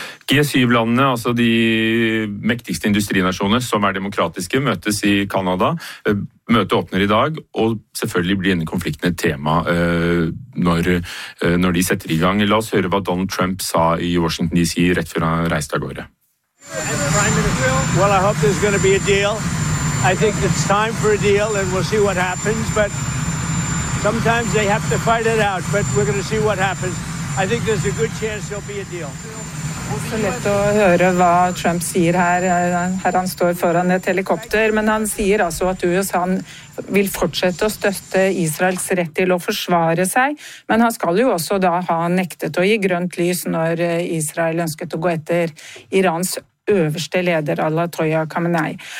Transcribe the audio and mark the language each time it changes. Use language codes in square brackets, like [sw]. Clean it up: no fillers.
[no] G7-landene, altså de mektigste industrinasjonene som demokratiske, møtes i Kanada. Møtet åpner i dag, og selvfølgelig blir denne konflikten et tema når de setter i gang. La oss høre hva Donald Trump sa i Washington D.C. rett før han reiste av gårde. [en] Well, I hope there's going to be a deal. I think it's time for a deal, and we'll see what happens. But sometimes they have to fight it out, but we're going to see what happens. I think there's a good chance there'll be a deal. [no] Så lett å høre hva Trump sier her, her han står foran et helikopter, men han sier altså at USA vil fortsette å støtte Israels rett til å forsvare seg, men han skal jo også da ha nektet å gi grønt lys når Israel ønsket å gå etter Irans øverste leder, Ayatollah Khamenei.